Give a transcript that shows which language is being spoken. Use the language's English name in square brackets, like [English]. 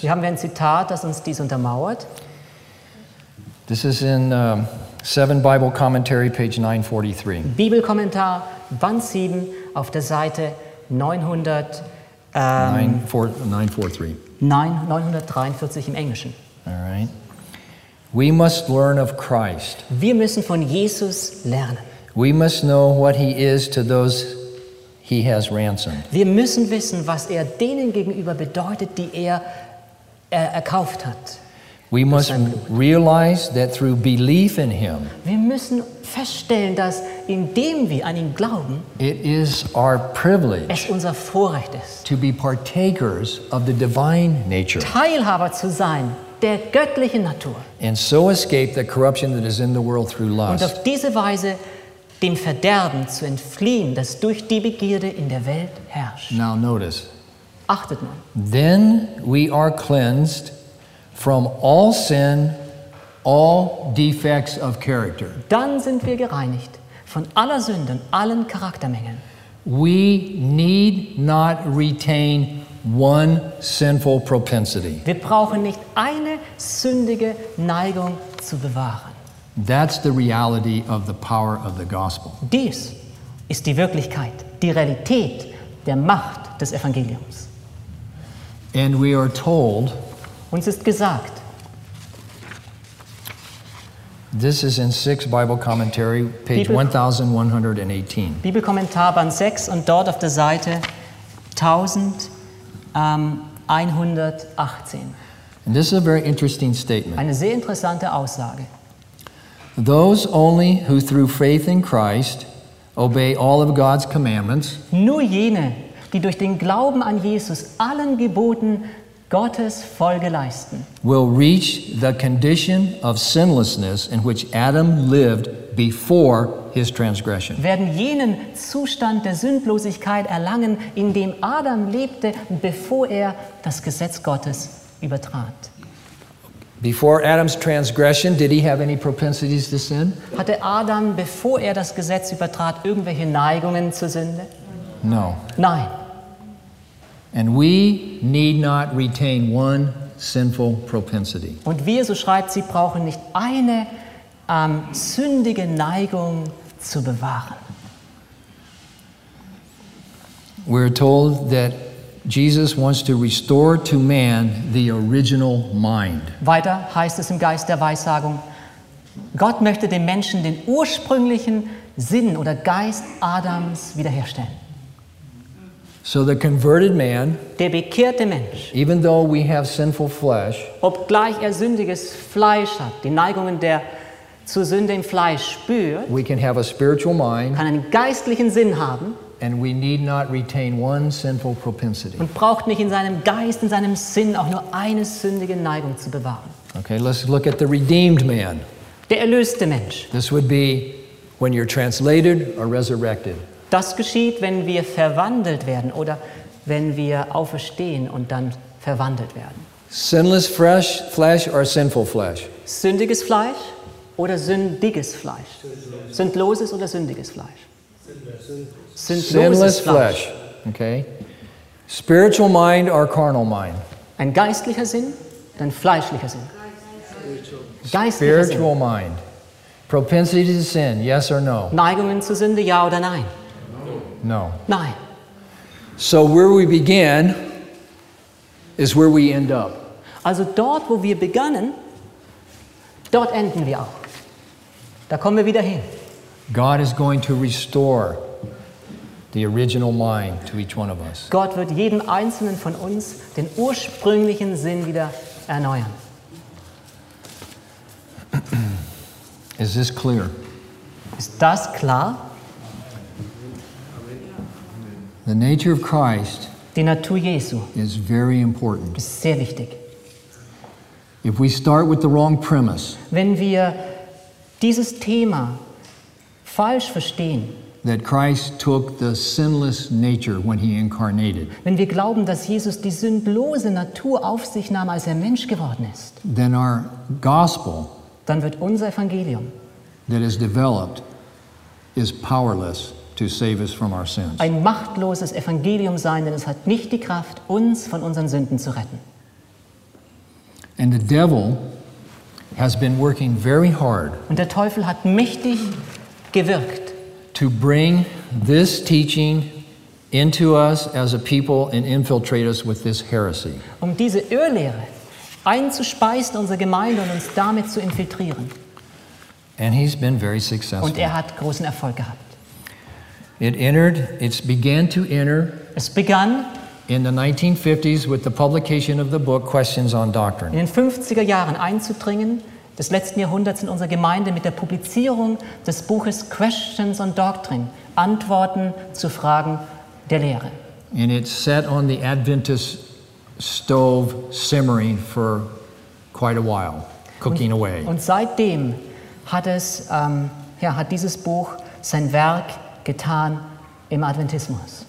[German] Wir haben ein Zitat, das uns dies untermauert. [English] This is in 7 Bible Commentary, page 943. [German] Bibelkommentar, Band 7, auf der Seite 943 im Englischen. [English] All right. We must learn of Christ. [German] Wir müssen von Jesus lernen. [English] We must know what he is to those he has ransomed. [German] Wir müssen wissen, was er denen gegenüber bedeutet, die er erkauft hat. [English] We must realize that through belief in him. [German] Wir müssen feststellen, dass indem wir an ihn glauben, [English] it is our privilege, [German] es unser Vorrecht ist, [English] to be partakers of the divine nature. [German] Teilhaber zu sein der göttlichen Natur. [English] And so escape the corruption that is in the world through lust. [German] Und auf diese Weise dem Verderben zu entfliehen, das durch die Begierde in der Welt herrscht. [English] Now notice. [German] Achtet mal. [English] Then we are cleansed from all sin, all defects of character. [German] Dann sind wir gereinigt von aller Sünde und allen Charaktermängeln. [English] We need not retain one sinful propensity. [German] Wir brauchen nicht eine sündige Neigung zu bewahren. [English] That's the reality of the power of the gospel. [German] Dies ist die Wirklichkeit, die Realität der Macht des Evangeliums. [English] And we are told, [German] uns ist gesagt, [English] this is in 6 Bible Commentary, page 1118. [German] Bibelkommentar Band 6 und dort auf der Seite 1118. [English] And this is a very interesting statement. [German] Eine sehr interessante Aussage. [English] Those only who through faith in Christ obey all of God's commandments, [German] nur jene, die durch den Glauben an Jesus allen Geboten Gottes Folge leisten, [English] will reach the condition of sinlessness in which Adam lived before his transgression. [German] Werden jenen Zustand der Sündlosigkeit erlangen, in dem Adam lebte, bevor er das Gesetz Gottes übertrat. [English] Before Adam's transgression, did he have any propensities to sin? [German] Hatte Adam, bevor er das Gesetz übertrat, irgendwelche Neigungen zur Sünde? [English] No. [German] Nein. [English] And we need not retain one sinful propensity. [German] Und wir, so schreibt sie, brauchen nicht eine sündige Neigung zu bewahren. [English] We're told that Jesus wants to restore to man the original mind. [German] Weiter heißt es im Geist der Weissagung, Gott möchte dem Menschen den ursprünglichen Sinn oder Geist Adams wiederherstellen. [English] So the converted man, [German] der bekehrte Mensch, [English] even though we have sinful flesh, [German] obgleich er sündiges Fleisch hat, die Neigungen der zur Sünde im Fleisch spürt, [English] we can have a spiritual mind, [German] kann einen geistlichen Sinn haben, [English] and we need not retain one sinful propensity, [German] und braucht nicht in seinem Geist, in seinem Sinn auch nur eine sündige Neigung zu bewahren. [English] Okay, let's look at the redeemed man. [German] Der erlöste Mensch. [English] This would be when you're translated or resurrected. [German] Das geschieht, wenn wir verwandelt werden oder wenn wir auferstehen und dann verwandelt werden. [English] Sinless fresh flesh or sinful flesh? [German] Sündiges Fleisch oder sündiges Fleisch? Sündloses oder sündiges Fleisch? [English] Sinless flesh. Okay. Spiritual mind or carnal mind? [German] Ein geistlicher Sinn oder ein fleischlicher Sinn? [English] Spiritual mind. Propensity to sin, yes or no? [German] Neigungen zur Sünde, ja oder nein? [English] No. [German] Nein. [English] So where we begin is where we end up. [German] Also dort, wo wir begannen, dort enden wir auch. Da kommen wir wieder hin. [English] God is going to restore the original mind to each one of us. [German] Gott wird jeden einzelnen von uns den ursprünglichen Sinn wieder erneuern. [English] Is this clear? [German] Ist das klar? [English] The nature of Christ, [German] die Natur Jesu, [English] is very important. [German] Ist sehr wichtig. [English] If we start with the wrong premise, [German] wenn wir dieses Thema falsch verstehen, [English] that Christ took the sinless nature when he incarnated, [German] wenn wir glauben, dass Jesus die sündlose Natur auf sich nahm, als er Mensch geworden ist, [English] then our gospel, [German] dann wird unser Evangelium, [English] that is developed, is powerless to save us from our sins. [German] Ein machtloses Evangelium sein, denn es hat nicht die Kraft, uns von unseren Sünden zu retten. [English] And the devil has been working very hard. [German] Und der Teufel hat mächtig gewirkt. [English] To bring this teaching into us as a people and infiltrate us with this heresy. [German] Um diese Irrlehre einzuspeisen in unsere Gemeinde und uns damit zu infiltrieren. [English] And he's been very successful. [German] Und er hat großen Erfolg gehabt. Es begann [English] in the 1950s with the publication of the book Questions on Doctrine. [German] In den 50er Jahren einzudringen des letzten Jahrhunderts in unserer Gemeinde mit der Publizierung des Buches Questions on Doctrine, Antworten zu Fragen der Lehre. [English] And it sat on the Adventist stove simmering for quite a while, cooking away. [German] Und seitdem hat es hat dieses Buch sein Werk getan im Adventismus.